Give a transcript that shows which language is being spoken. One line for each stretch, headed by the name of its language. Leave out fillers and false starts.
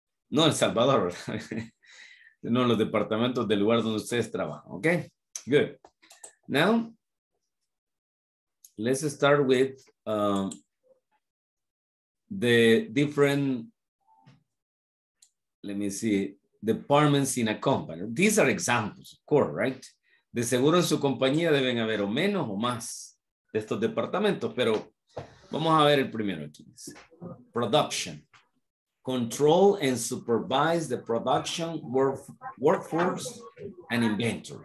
Spanish: No El Salvador, no los departamentos del lugar donde ustedes trabajan.
English: Okay, good. Now, let's start with the different, let me see, departments in a company. These are examples, of course, right?
Spanish: De seguro en su compañía deben haber o menos o más de estos departamentos, pero vamos a ver el primero aquí.
English: Production. Control and supervise the production workforce and inventory.